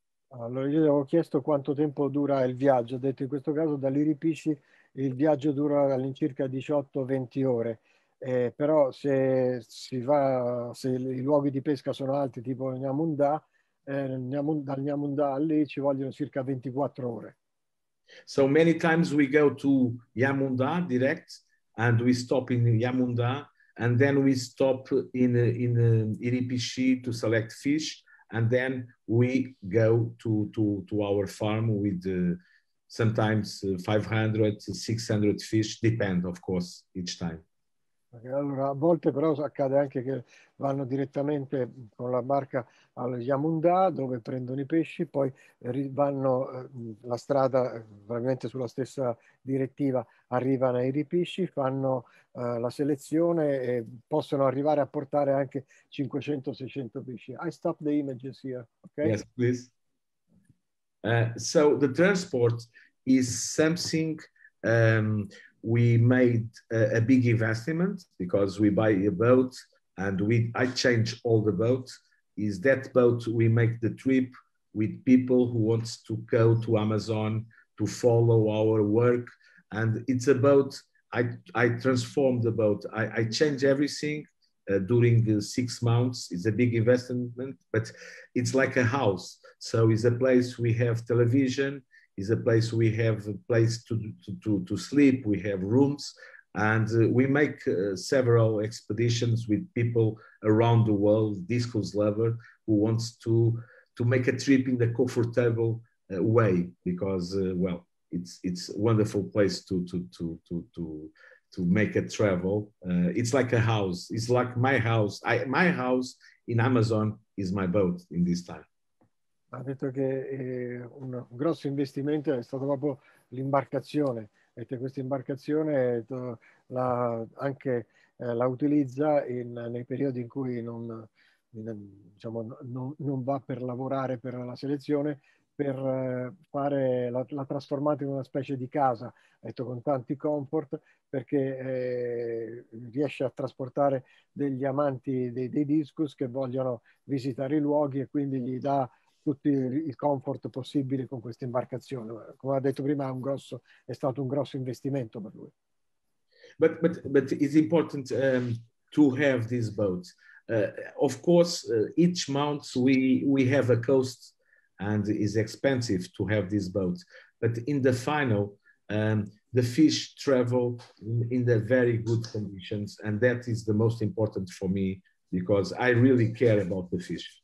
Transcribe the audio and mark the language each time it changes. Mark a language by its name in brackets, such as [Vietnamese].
[Italian] Allora, io gli avevo chiesto quanto tempo dura il viaggio, ho detto in questo caso dall'Iripici il viaggio dura all'incirca 18-20 ore, però se i luoghi di pesca sono alti, tipo Iamundá, dal Iamundá a lì ci vogliono circa 24 ore. [English] So many times we go to Yamunda direct and we stop in Yamunda and then we stop in Iripixi to select fish and then we go to our farm with sometimes 500, 600 fish, depend of course each time. [Italian] Allora, a volte però accade anche che vanno direttamente con la barca al Yamunda dove prendono i pesci, poi vanno la strada, probabilmente sulla stessa direttiva, arrivano ai ripisci, fanno la selezione e possono arrivare a portare anche 500-600 pesci. [English] I stop the images here, ok? Yes, please. So the transport is something we made a big investment because we buy a boat and I change all the boats. Is that boat we make the trip with people who wants to go to Amazon to follow our work, and it's a boat. I transform the boat. I change everything. During the 6 months, it's a big investment, but it's like a house. So it's a place we have television, it's a place we have a place to sleep, we have rooms, and we make several expeditions with people around the world, discos lover who wants to make a trip in the comfortable way because well, it's a wonderful place to make a travel. It's like a house. It's like my house. My house in Amazon is my boat in this time. [Italian] Ha detto che un grosso investimento è stato proprio l'imbarcazione, e che questa imbarcazione anche la utilizza nei periodi in cui non va per lavorare per la selezione, per fare la trasformata in una specie di casa, detto, con tanti comfort, perché riesce a trasportare degli amanti dei discus che vogliono visitare i luoghi e quindi gli dà tutti i comfort possibili con questa imbarcazione. Come ha detto prima, è stato un grosso investimento per lui. [English] But it's important to have this boat. Of course, each month we have a cost and it's expensive to have this boat. But in the final, the fish travel in the very good conditions. And that is the most important for me because I really care about the fish.